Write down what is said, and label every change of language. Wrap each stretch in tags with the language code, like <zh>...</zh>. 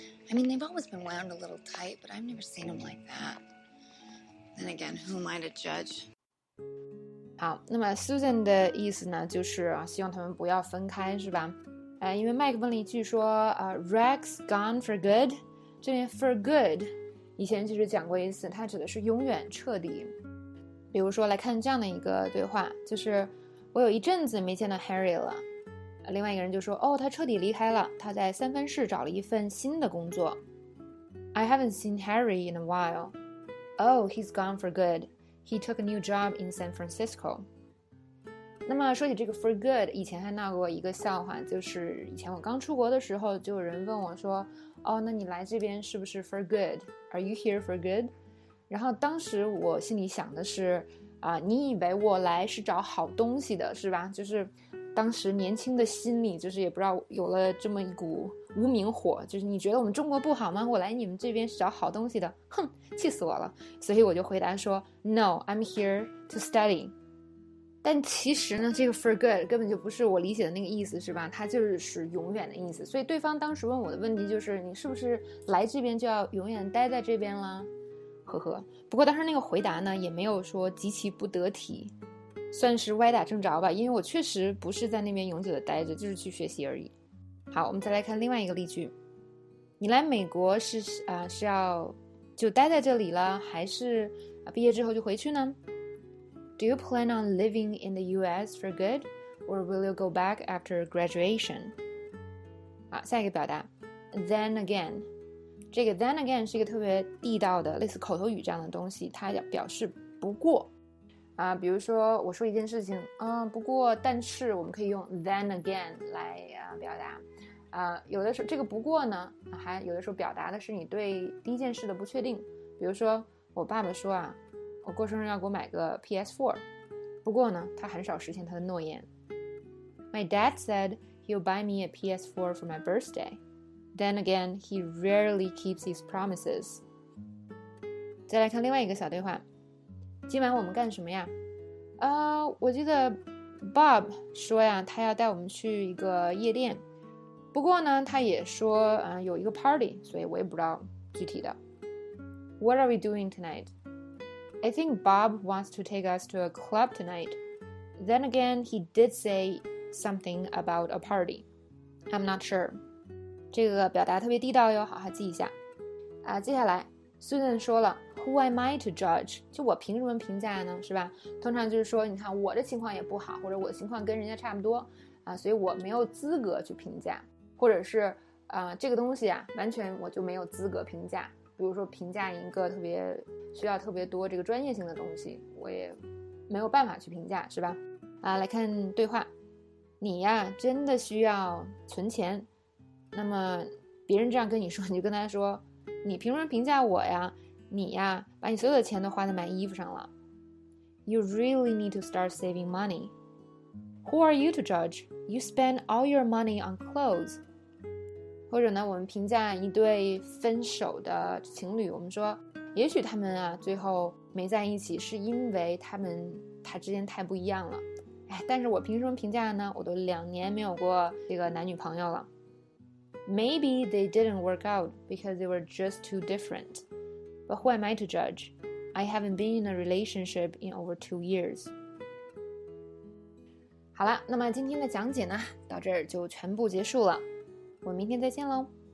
<en>I mean, they've always been wound a little tight, but I've never seen them like that. Then again, who am I to judge?</en> <zh>好，那么 Susan 的意思呢，就是希望他们不要分开，是吧？因为 Mike 问了一句说，</zh> <en>Rex gone for good.</en> <zh>这边 for good 以前就是讲过一次，它指的是永远、彻底。比如说，来看这样的一个对话，就是我有一阵子没见到 Harry 了。另外一个人就说，哦，他彻底离开了，他在三藩市找了一份新的工作。</zh> <en>I haven't seen Harry in a while. Oh, he's gone for good. He took a new job in San Francisco.</en> <zh>那么说起这个 for good, 以前还闹过一个笑话，就是以前我刚出国的时候，就有人问我说，哦，那你来这边是不是 for good?</zh> <en>Are you here for good?</en> <zh>然后当时我心里想的是，你以为我来是找好东西的是吧？就是当时年轻的心理，就是也不知道有了这么一股无名火，就是你觉得我们中国不好吗？我来你们这边是找好东西的，哼，气死我了。所以我就回答说</zh> <en>No, I'm here to study.</en> <zh>但其实呢，这个 for good 根本就不是我理解的那个意思，是吧？它就是永远的意思。所以对方当时问我的问题就是，你是不是来这边就要永远待在这边了？呵呵。不过当时那个回答呢，也没有说极其不得体，算是歪打正着吧，因为我确实不是在那边永久的待着，就是去学习而已。好，我们再来看另外一个例句。你来美国是要就待在这里了，还是毕业之后就回去呢？</zh> <en>Do you plan on living in the US for good? Or will you go back after graduation?</en> <zh>好，下一个表达。</zh> <en>Then again.</en> <zh>这个 then again 是一个特别地道的类似口头语这样的东西，它表示不过。比如说我说一件事情，不过但是我们可以用 then again 来表达，有的时候这个不过呢，还有的时候表达的是你对第一件事的不确定。比如说我爸爸说啊，我过生日要给我买个 PS4， 不过呢他很少实现他的诺言。</zh> <en>My dad said he'll buy me a PS4 for my birthday. Then again, he rarely keeps his promises.</en> <zh>再来看另外一个小对话。今晚我们干什么呀？我记得 Bob 说呀，他要带我们去一个夜店，不过呢他也说有一个 party， 所以我也不知道具体的。</zh> <en>What are we doing tonight? I think Bob wants to take us to a club tonight. Then again, he did say something about a party. I'm not sure.</en> <zh>这个表达特别地道哟，好好记一下。接下来Susan 说了</zh> <en>Who am I to judge?</en> <zh>就我凭什么评价呢，是吧？通常就是说你看我的情况也不好，或者我的情况跟人家差不多所以我没有资格去评价，或者是这个东西啊完全我就没有资格评价。比如说评价一个特别需要特别多这个专业性的东西，我也没有办法去评价，是吧？来看对话。你呀真的需要存钱，那么别人这样跟你说，你就跟他说，你凭什么评价我呀？你呀，把你所有的钱都花在买衣服上了。</zh> <en>You really need to start saving money. Who are you to judge? You spend all your money on clothes.</en> <zh>或者呢，我们评价一对分手的情侣，我们说，也许他们啊最后没在一起，是因为他之间太不一样了。哎，但是我凭什么评价呢？我都2年没有过这个男女朋友了。</zh> <en>Maybe they didn't work out because they were just too different. But who am I to judge? I haven't been in a relationship in over 2 years.</en> <zh>好了，那么今天的讲解呢，到这儿就全部结束了。我们明天再见喽。</zh>